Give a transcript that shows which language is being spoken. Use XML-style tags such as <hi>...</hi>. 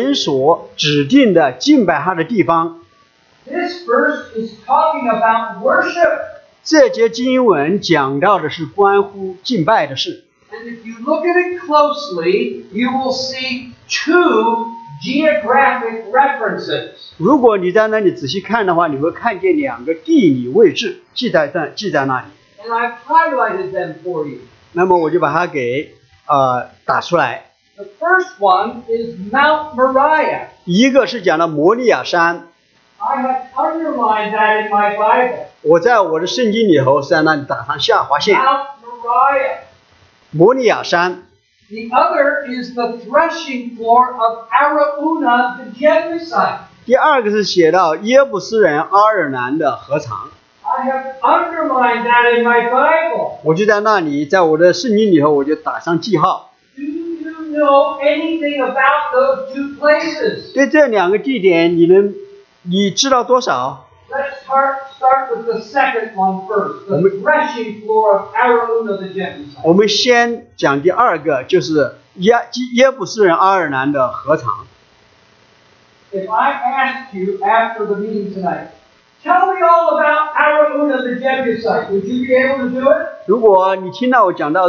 <zh>这个地方是讲到神所指定的敬拜他的地方。</zh> <en>This verse is talking about worship.</en> <zh>这节经文讲到的是关乎敬拜的事。</zh> <en>And if you look at it closely, you will see two geographic references.</en> <zh>如果你在那里仔细看的话，你会看见两个地理位置记在那里。</zh> <en>And I've highlighted them for you.</en> <zh>那么我就把它给打出来。The</zh> <en>first one is Mount Moriah.</en> <zh>一个是讲的摩利亚山。</zh> <en>I have underlined that in my Bible.</en> <zh>我在我的圣经里头在那里打上下划线。</zh> <en>Mount Moriah.</en> <zh>摩利亚山,</zh> <en>the other is the threshing floor of Arauna the Jebusite.</en> <zh>第二个是写到耶布斯人阿尔南的禾场。</zh> <en>I have underlined that in my Bible.</en> <zh>我就在那里，在我的圣经里头，我就打上记号。</zh> <en>Do you know anything about those two places?</en> <zh>对这两个地点，你知道多少？</zh> <en>Let's start with the second one first, the threshing floor of Arauna the Jebusite. If I asked you after the meeting tonight, tell me all about Arauna the Jebusite, would you be able to do it?</en>